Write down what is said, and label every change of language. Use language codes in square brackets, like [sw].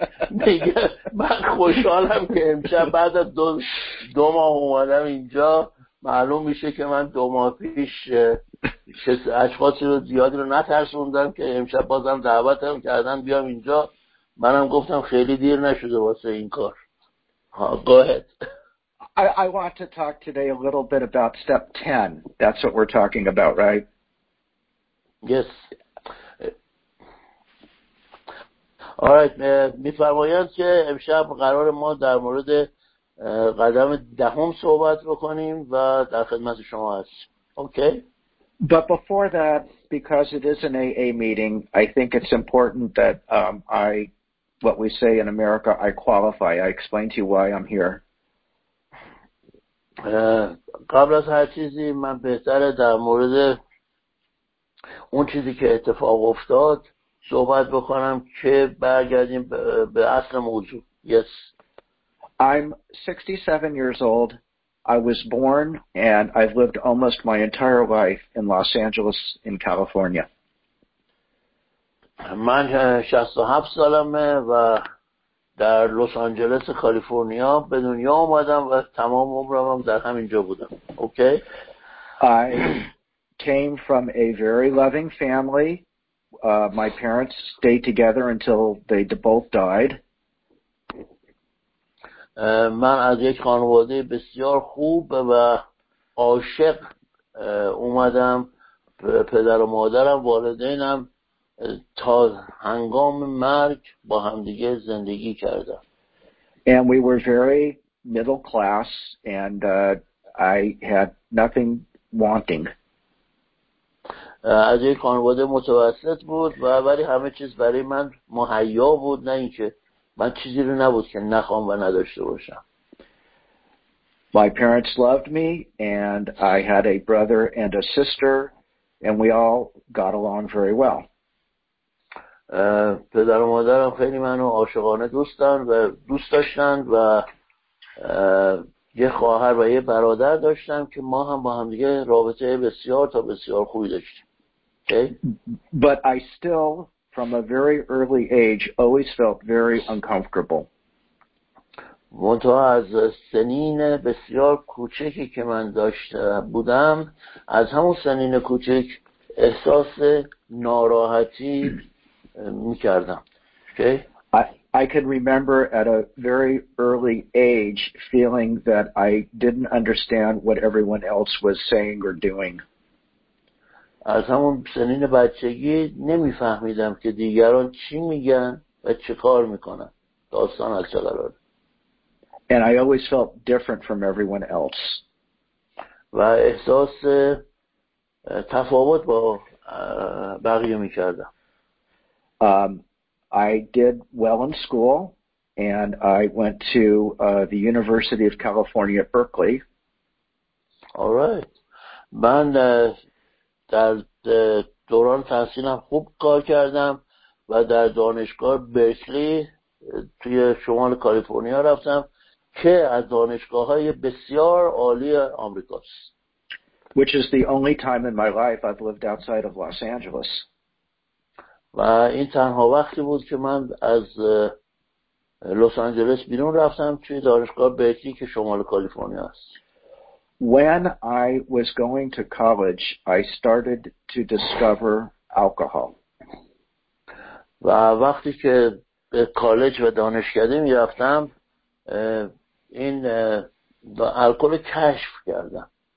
[fa] میگه من خوشحالم که امشب بعد از دو ماه اومدم اینجا، معلوم میشه که من دو ماه پیش اشخاصی رو زیادی رو نترسوندم که امشب بازم دعوتم کردن بیام اینجا. منم گفتم خیلی دیر نشده واسه این کار. [en] Go ahead. I want to talk today a little bit about step 10. That's what we're talking about, right? Yes. All right. [fa] می‌فرمایند که امشب قرار ما در مورد قدم دهم صحبت بکنیم و در خدمت شما هستیم. [en] Okay. But before that, because it is an AA meeting, I think it's important that I what we say in America, I qualify. I explain to you why I'm here. [fa] قبل از هر چیزی من بهتره در مورد اون چیزی که اتفاق افتاد صحبت بکنم که برگردیم به اصل موضوع. [en] Yes. I'm 67 years old. I was born and I've lived almost my entire life in Los Angeles in California. [fa] من 67 سالمه و در لس آنجلس کالیفرنیا به دنیا اومدم و تمام عمرم هم در همینجا بودم. [en] Okay. I came from a very loving family. My parents stayed together until they both died. [fa] من از یک خانواده بسیار خوب و عاشق اومدم. پدر و مادرم، والدینم تا هنگام مرگ با همدیگه زندگی کردم. [en] And we were very middle class and I had nothing wanting. [fa] از یک خانواده متوسط بود و ولی همه چیز برای من مهیا بود، نه اینکه من چیزی رو نبود که نخوام و نداشته باشم. [en] My parents loved me and I had a brother and a sister and we all got along very well. [fa] پدر و مادرم خیلی منو عاشقانه دوست داشتن و یه خواهر و یه برادر داشتم که ما هم با هم دیگه رابطه بسیار تا بسیار خوبی داشتیم. Okay. [en] But I still from a very early age always felt very uncomfortable. [fa] منتها از سنین بسیار کوچکی که من داشته بودم، از همون سنین کوچک احساس ناراحتی می‌کردم. Okay. [en] I, I can remember at a very early age feeling that I didn't understand what everyone else was saying or doing. [fa] از همون سنین بچگی نمیفهمیدم که دیگران چی میگن و چه کار میکنن. داستان از چه قراره؟ [en] And I always felt different from everyone else. [fa] و احساس تفاوت با بقیه میکردم. [en] I did well in school, and I went to the University of California, Berkeley. All right. [fa] من در دوران تحصیلم خوب کار کردم و در دانشگاه برکلی توی شمال کالیفرنیا رفتم که از دانشگاه‌های بسیار عالی آمریکاست. [en] Which is the only time in my life I've lived outside of Los Angeles. [fa] و این تنها وقتی بود که من از لس آنجلس بیرون رفتم توی دانشگاه برکلی که شمال کالیفرنیا است. [en] When I was going to college, I started to discover alcohol. [fa] و وقتی که به کالج و دانشکده می رفتم این الکل کشف کردم.